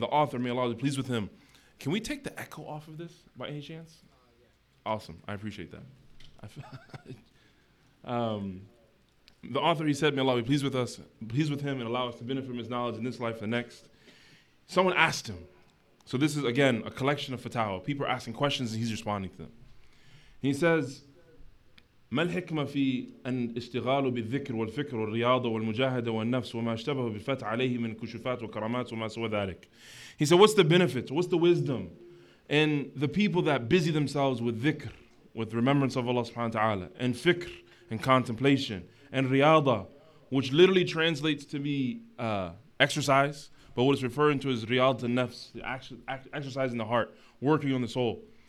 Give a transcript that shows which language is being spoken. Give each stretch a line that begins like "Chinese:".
English: The author, may Allah be pleased with him. Can we take the echo off of this by any chance? Yeah. Awesome. I appreciate that. The author, he said, may Allah be pleased with him and allow us to benefit from his knowledge in this life and the next. Someone asked him. So this is, again, a collection of fatawa. People are asking questions and he's responding to them. He says,
Arabic: ما الحكمة في أن اشتغاله بالذكر والفكر والرياضة والمجاهدة والنفس وما اشتبه بالفتى عليه من كشوفات وكرامات وما سوى ذلك.
English: He said, what's the benefit? What's the wisdom in the people that busy themselves with dhikr, with remembrance of Allah subhanahu wa ta'ala, and fikr, and contemplation, and riyadah, which literally translates to be exercise, but what it's referring to is riyadah al-nafs, the exercise in the heart, working on the soul.